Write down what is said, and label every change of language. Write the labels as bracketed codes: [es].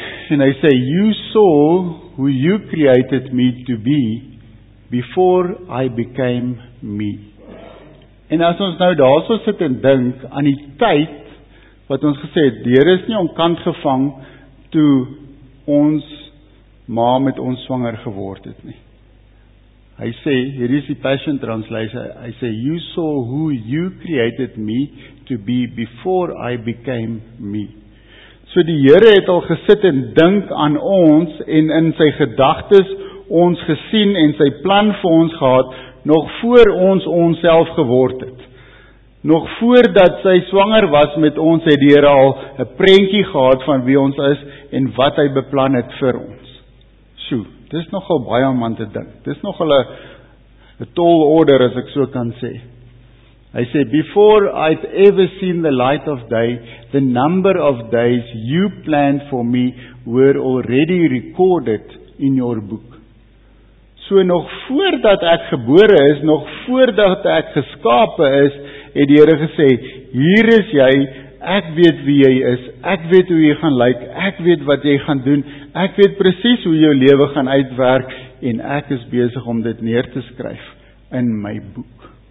[en] And I say, you saw who you created me to be before I became me. [af] En as ons nou daar so sit en dink aan die tyd wat ons gesê het, die Here is nie omkant gevang toe ons ma met ons swanger geword het nie. Hy sê, hier is die Passion Translation, hy sê, [en] you saw who you created me to be before I became me. [af] So die Here het al gesit en dink aan ons en in sy gedagtes ons gesien en sy plan vir ons gehad, nog voor ons onsself geword het. Nog voordat sy swanger was met ons, het die Here al 'n prentjie gehad van wie ons is en wat hy beplan het vir ons. So, dis nogal baie om aan te dink. Dis nogal 'n tol order as ek so kan sê. Hy sê, [en] before I'd ever seen the light of day, the number of days you planned for me were already recorded in your book. [af] So nog voordat ek gebore is, nog voordat ek geskape is, het die Here gesê, hier is jy, ek weet wie jy is, ek weet hoe jy gaan lyk, ek weet wat jy gaan doen, ek weet presies hoe jou lewe gaan uitwerk, en ek is besig om dit neer te skryf in my boek.